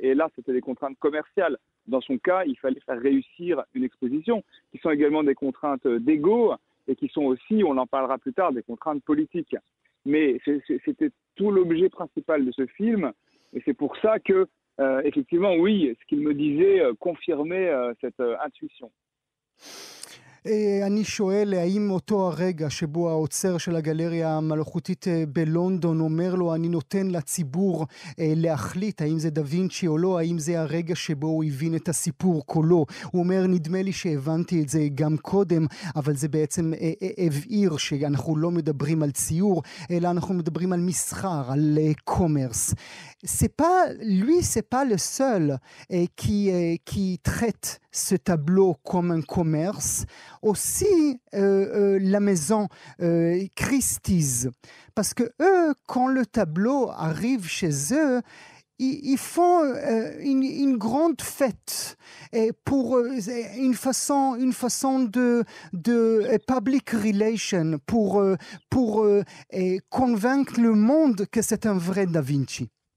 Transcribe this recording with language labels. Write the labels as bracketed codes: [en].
[fr] Et là, c'était des contraintes commerciales. Dans son cas, il fallait faire réussir une exposition, qui sont également des contraintes d'ego, et qui sont aussi, on en parlera plus tard, des contraintes politiques. Mais c'était tout l'objet principal de ce film, et c'est pour ça que, effectivement, oui, ce qu'il me disait confirmait cette intuition. [he] אני שואל, האם אותו הרגע שבו האוצר של הגלריה המלאכותית בלונדון אומר לו, אני נותן לציבור להחליט האם זה דווינצ'י או לא, האם זה הרגע שבו הוא הבין את הסיפור כולו? הוא אומר, נדמה לי שהבנתי את זה גם קודם, אבל זה בעצם הבהיר שאנחנו לא מדברים על ציור, אלא אנחנו מדברים על מסחר, על קומרס. [fr] C'est pas lui le seul qui traite ce tableau comme un commerce, aussi la maison Christie's, parce que eux, quand le tableau arrive chez eux, ils font une grande fête et pour une façon de [en] public relation [fr] pour convaincre le monde que c'est un vrai Da Vinci.